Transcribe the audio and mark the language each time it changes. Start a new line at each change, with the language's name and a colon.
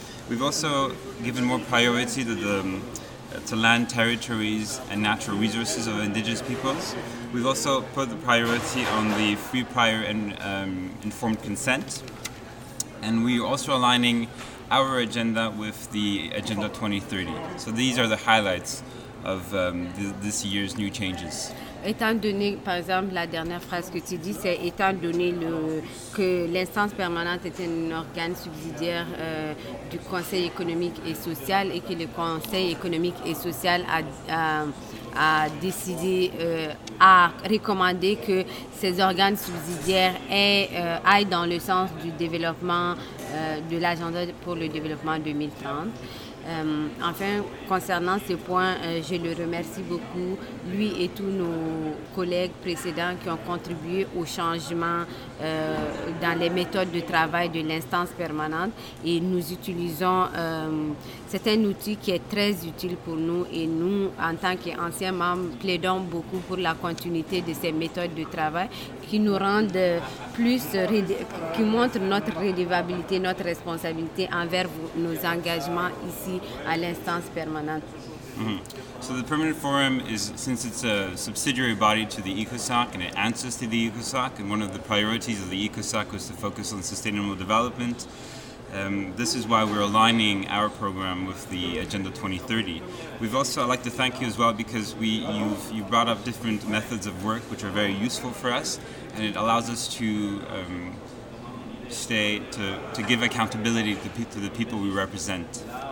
English: We've also given more priority to land, territories, and natural resources of indigenous peoples. We've also put the priority on the free, prior, and informed consent. And we're also aligning our agenda with the Agenda 2030. So these are the highlights of this year's new changes.
French: Étant donné, par exemple, la dernière phrase que tu dis, c'est étant donné que l'instance permanente est un organe subsidiaire du Conseil économique et social et que le Conseil économique et social a décidé, a recommandé que ces organes subsidiaires aillent dans le sens du développement de l'agenda pour le développement 2030. Enfin, concernant ce point, je le remercie beaucoup, lui et tous nos collègues précédents qui ont contribué au changement dans les méthodes de travail de l'instance permanente. Et nous utilisons, c'est un outil qui est très utile pour nous et nous, en tant qu'anciens membres, plaidons beaucoup pour la continuité de ces méthodes de travail qui nous rendent plus, qui montrent notre redevabilité, notre responsabilité envers nos engagements ici à l'instance permanente. Mm-hmm.
English: So the Permanent Forum is, since it's a subsidiary body to the ECOSOC and it answers to the ECOSOC, and one of the priorities of the ECOSOC was to focus on sustainable development, this is why we're aligning our program with the Agenda 2030. We've also, I'd like to thank you as well because you've brought up different methods of work which are very useful for us, and it allows us to to give accountability to the people we represent.